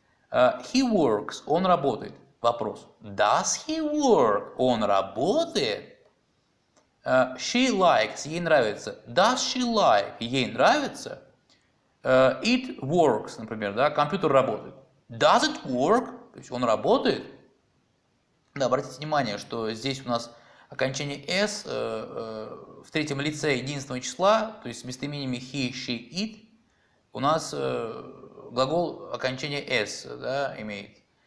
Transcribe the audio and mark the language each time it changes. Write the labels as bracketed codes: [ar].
[en] He works, [ru] он работает. Вопрос. [en] Does he work, [ru] он работает? [en] She likes, [ru] ей нравится. [en] Does she like, [ru] ей нравится? [en] It works, [ru] например, да, компьютер работает. [en] Does it work, [ru] то есть он работает? Да, обратите внимание, что здесь у нас окончание s в третьем лице единственного числа, то есть с местоимениями he, she, it, у нас глагол окончание s, да, имеет.